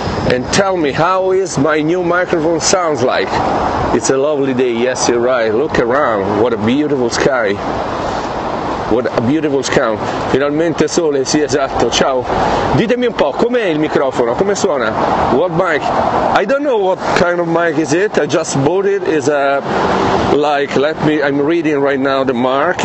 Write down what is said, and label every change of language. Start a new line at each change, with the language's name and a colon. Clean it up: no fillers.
English: And tell me, how is my new microphone sounds like? It's a lovely day, yes, you're right, look around, what a beautiful sky. What a beautiful sky.
Italian: Finalmente sole, sì esatto, ciao. Ditemi un po', com'è il microfono, come suona?
English: What mic? I don't know what kind of mic is it, I just bought it. It's a, like, let me, I'm reading right now the mark.